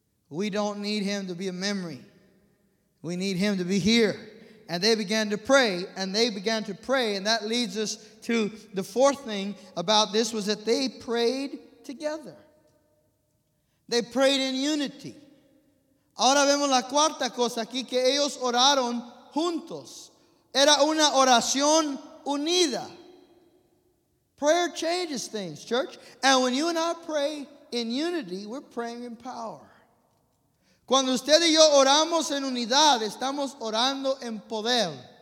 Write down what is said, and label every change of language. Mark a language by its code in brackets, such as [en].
[en] We don't need him to be a memory. We need him to be here. And they began to pray, and they began to pray. And that leads us to the fourth thing about this, was that they prayed together. They prayed in unity. [es] Ahora vemos la cuarta cosa aquí, que ellos oraron juntos. Era una oración unida. [en] Prayer changes things, church. And when you and I pray in unity, we're praying in power. [es] Cuando usted y yo oramos en unidad, estamos orando en poder.